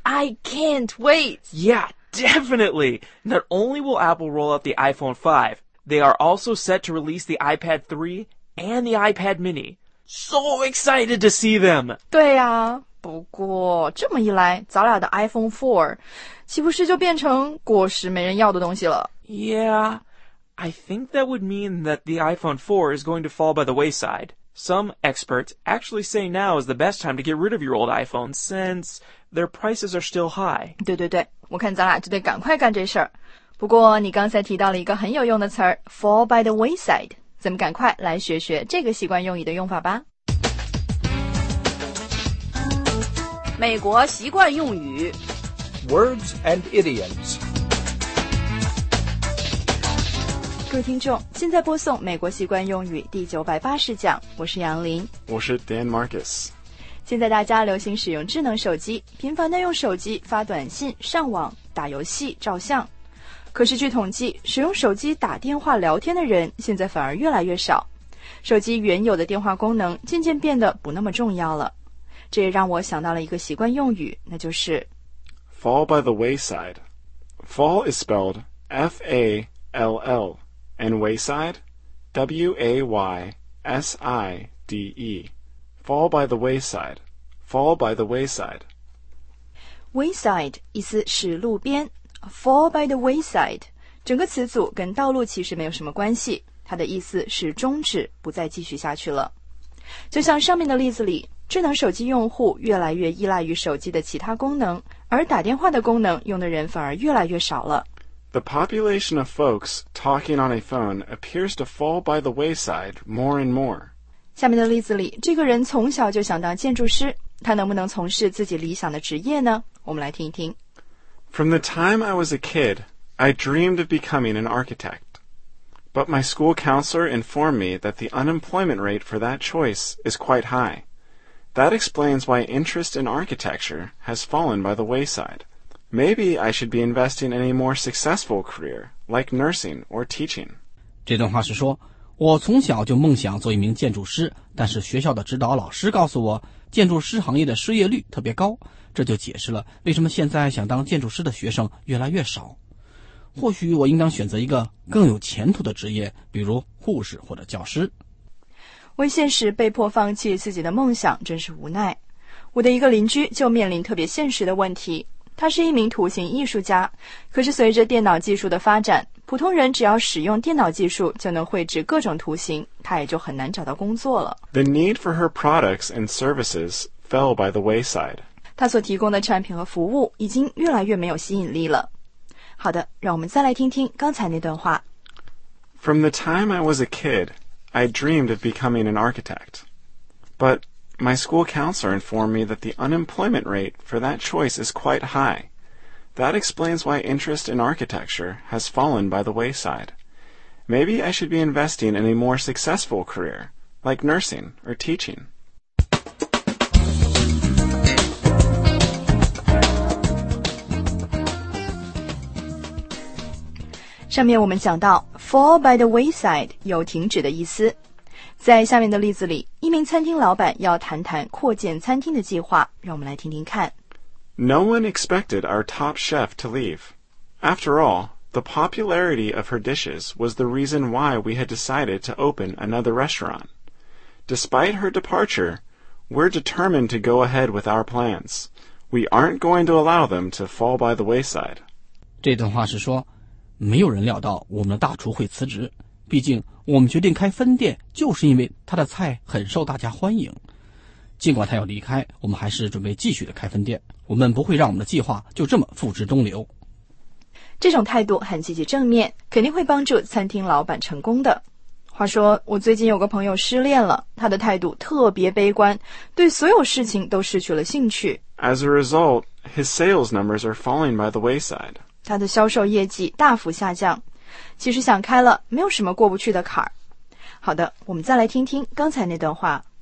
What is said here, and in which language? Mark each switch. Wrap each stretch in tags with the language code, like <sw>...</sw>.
<en>I can't wait! Yeah, definitely! Not only will Apple roll out the iPhone 5, they are also set to release the iPad 3 and the iPad mini. So excited to see them!</en> <zh>对呀、啊。不过这么一来，咱俩的 iPhone 4岂不是就变成果实没人要的东西了？</zh> <en>Yeah, I think that would mean that the iPhone 4 is going to fall by the wayside. Some experts actually say now is the best time to get rid of your old iPhone since their prices are still high.</en> <zh>对对对，我看咱俩就得赶快干这事儿。不过你刚才提到了一个很有用的词儿</zh> <en>fall by the wayside.</en> <zh>咱们赶快来学学这个习惯用语的用法吧。美国习惯用语</zh> <en>Words and idioms.</en> <zh>各位听众，现在播送美国习惯用语第980讲，我是杨林，我是 Dan Marcus。现在大家流行使用智能手机，频繁地用手机发短信、上网、打游戏、照相，可是据统计，使用手机打电话聊天的人现在反而越来越少，手机原有的电话功能渐渐变得不那么重要了。这也让我想到了一个习惯用语，那就是</zh> <en>Fall by the wayside. Fall is spelled F-A-L-L, and wayside, W-A-Y-S-I-D-E. Fall by the wayside. Fall by the wayside.</en> <zh>Wayside 意思是路边。</zh> <en>Fall by the wayside</en> <zh>整个词组跟道路其实没有什么关系，它的意思是终止，不再继续下去了。就像上面的例子里，智能手机用户越来越依赖于手机的其他功能，而打电话的功能用的人反而越来越少了。</zh> <en>The population of folks talking on a phone appears to fall by the wayside more and more.</en> <zh>下面的例子里，这个人从小就想当建筑师，他能不能从事自己理想的职业呢？我们来听一听。</zh> <en>From the time I was a kid, I dreamed of becoming an architect. But my school counselor informed me that the unemployment rate for that choice is quite high. That explains why interest in architecture has fallen by the wayside. Maybe I should be investing in a more successful career, like nursing or teaching.</en> <zh>这段话是说，我从小就梦想做一名建筑师，但是学校的指导老师告诉我，建筑师行业的失业率特别高，这就解释了为什么现在想当建筑师的学生越来越少。或许我应当选择一个更有前途的职业，比如护士或者教师。为现实被迫放弃自己的梦想真是无奈。我的一个邻居就面临特别现实的问题，他是一名图形艺术家，可是随着电脑技术的发展，普通人只要使用电脑技术就能绘制各种图形，他也就很难找到工作了。</zh> <en>The need for her products and services fell by the wayside.</en> <zh>他所提供的产品和服务已经越来越没有吸引力了。好的，让我们再来听听刚才那段话。</zh> <en>From the time I was a kid, I dreamed of becoming an architect. But my school counselor informed me that the unemployment rate for that choice is quite high. That explains why interest in architecture has fallen by the wayside. Maybe I should be investing in a more successful career, like nursing or teaching.</en> <zh>上面我们讲到</zh> <en>fall by the wayside</en> <zh>有停止的意思。在下面的例子里，一名餐厅老板要谈谈扩建餐厅的计划，让我们来听听看。</zh> <en>No one expected our top chef to leave. After all, the popularity of her dishes was the reason why we had decided to open another restaurant. Despite her departure, we're determined to go ahead with our plans. We aren't going to allow them to fall by the wayside.</en> <zh>这段话是说，没有人料到我们的大厨会辞职。毕竟，我们决定开分店就是因为他的菜很受大家欢迎。尽管他要离开，我们还是准备继续的开分店。我们不会让我们的计划就这么付之东流。这种态度很积极正面，肯定会帮助餐厅老板成功的。话说，我最近有个朋友失恋了，他的态度特别悲观，对所有事情都失去了兴趣。</zh> <en>As a result, his sales numbers are falling by the wayside.</en> <zh>他的销售业绩大幅下降。其实想开了，没有什么过不去的坎儿。好的，我们再来听听刚才那段话。</zh>